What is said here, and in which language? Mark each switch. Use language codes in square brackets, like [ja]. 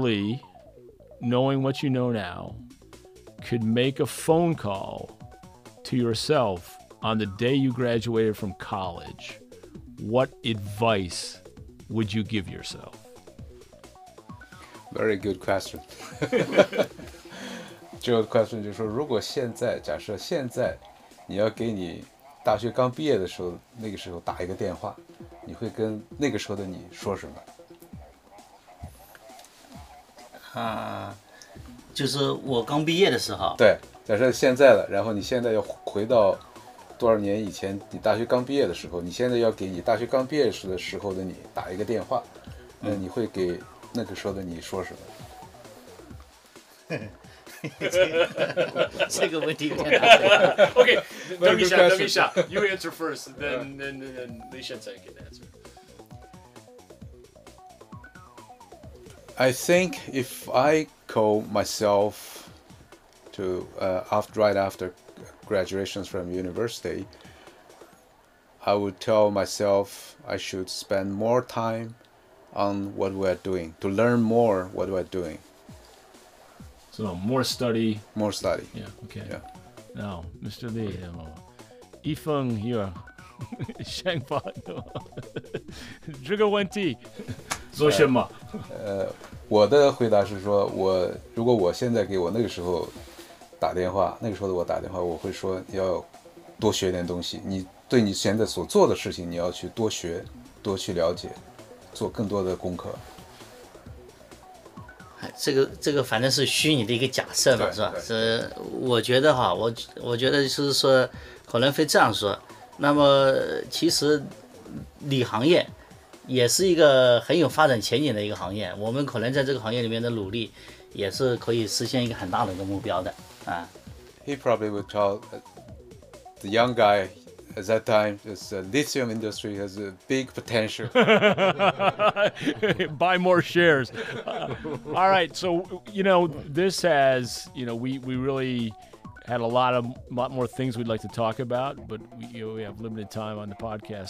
[en] Lee, knowing what you know now, could make a phone call to yourself on the day you graduated from college, what advice would you give yourself? Very good question. [zh] 这个 question 就是说，如果现在，假设现在你要给你大学刚毕业的时候，那个时候打一个电话，你会跟那个时候的你说什么？就是我刚毕业的时候。对，假设现在了，然后你现在要回到多少年以前，你大学刚毕业的时候，你现在要给你大学刚毕业时的时候的你打一个电话，那你会给那个时候的你说什么？这个问题 [en] OK, [zh] 等一下等一下 [en] You answer first then Lishan can answer. I think if I call myself to right after graduation from university, I would tell myself I should spend more time on what we're doing, to learn more what we're doing. So more study. More study. Yeah, okay. Yeah. Now, Mr. Li, Yifeng, you're Shangfa. Trigger one T. So, Shema. [zh] 我的回答是说，我如果我现在给我那个时候打电话，那个时候的我打电话，我会说要多学点东西。你对你现在所做的事情，你要去多学，多去了解，做更多的功课。这个反正是虚拟的一个假设嘛，是吧？是，我觉得哈，我觉得就是说，可能会这样说。那么其实，理行业也是一个很有发展前景的一个行业。我们可能在这个行业里面的努力，也是可以实现一个很大的一个目标的啊。 [en] He probably would tell the young guy at that time, "This lithium industry has a big potential." Buy more shares. All right, so, you know, this has, you know, we really had a lot more things we'd like to talk about, but we have limited time on the podcast.